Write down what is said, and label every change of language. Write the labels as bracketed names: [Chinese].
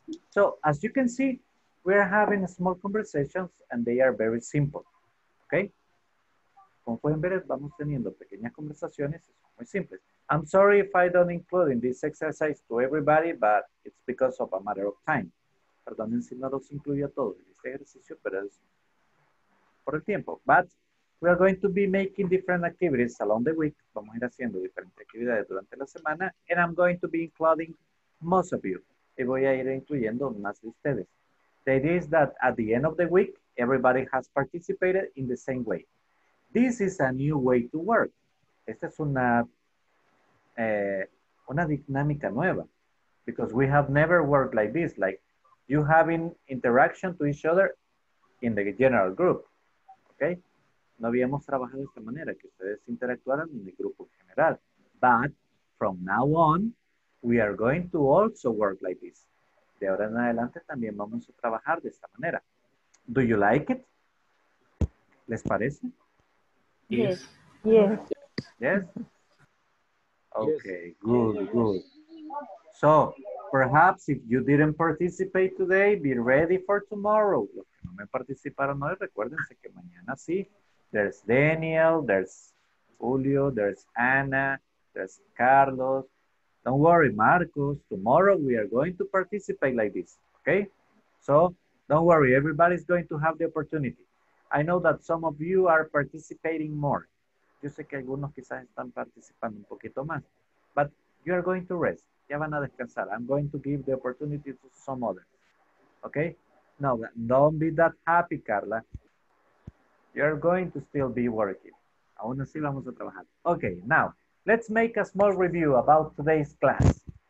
[English] So, as you can see, we are having small conversations and they are very simple. Okay? [Spanish] Como pueden ver, vamos teniendo pequeñas conversaciones. Muy simples. [English] I'm sorry if I don't include in this exercise to everybody, but it's because of a matter of time. [Spanish] Perdonen si no los incluyo a todos en este ejercicio, pero es por el tiempo. [English] But we are going to be making different activities along the week. [Spanish] Vamos a ir haciendo diferentes actividades durante la semana. [English] And I'm going to be including most of you. [Spanish] Y voy a ir incluyendo más de ustedes. [English] The idea is that at the end of the week, everybody has participated in the same way. This is a new way to work. [Spanish] Esta es una dinámica nueva. [English] Because we have never worked like this. Like you having interaction to each other in the general group. Okay? [Spanish] No habíamos trabajado de esta manera, que ustedes interactuaran en el grupo en general. [English] But from now on, we are going to also work like this. [Spanish] De ahora en adelante también vamos a trabajar de esta manera. [English] Do you like it? [Spanish] ¿Les parece? [English] Yes. Yes. Yes? Okay, good, good. So, perhaps if you didn't participate today, be ready for tomorrow. [Spanish] Los que no me participaron hoy, recuérdense que mañana sí. [English] There's Daniel, there's Julio, there's Anna, there's Carlos. Don't worry, Marcos. Tomorrow we are going to participate like this, okay? So don't worry, everybody's going to have the opportunity. I know that some of you are participating more. [Spanish] Yo sé que algunos quizás están participando un poquito más. [English] But you are going to rest. [Spanish] Ya van a descansar. [English] I'm going to give the opportunity to some others, okay? No, don't be that happy, Carla. You're going to still be working. [Spanish] Aún así vamos a trabajar. [English] Okay, now, let's make a small review about today's class.